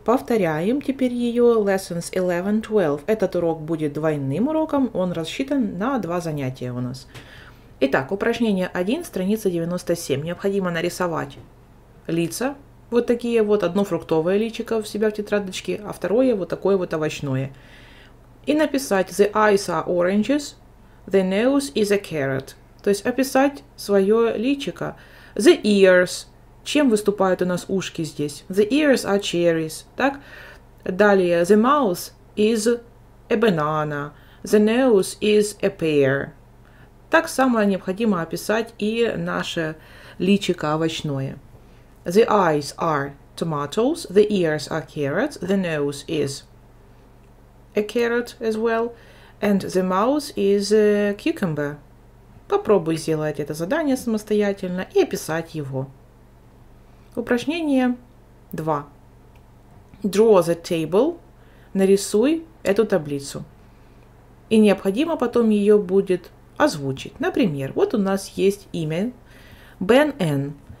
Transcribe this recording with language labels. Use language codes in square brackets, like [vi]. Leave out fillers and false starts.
[ru] Повторяем теперь ее lessons 11-12. Этот урок будет двойным уроком. Он рассчитан на два занятия у нас. Итак, упражнение 1, страница 97. Необходимо нарисовать лица. Вот такие вот. Одно фруктовое личико у себя в тетрадочке, а второе вот такое вот овощное. И написать [en] «The eyes are oranges, the nose is a carrot». [ru] То есть описать свое личико. [en] «The ears». [ru] Чем выступают у нас ушки здесь? [en] «The ears are cherries». [ru] Так? Далее [en] «The mouth is a banana», «The nose is a pear». [ru] Так само необходимо описать и наше личико овощное. [en] «The eyes are tomatoes, the ears are carrots, the nose is a carrot as well, and the mouth is a cucumber». [ru] Попробуй сделать это задание самостоятельно и описать его. Упражнение 2. [en] Draw the table. [ru] Нарисуй эту таблицу. И необходимо потом ее будет озвучить. Например, вот у нас есть имя Ben N.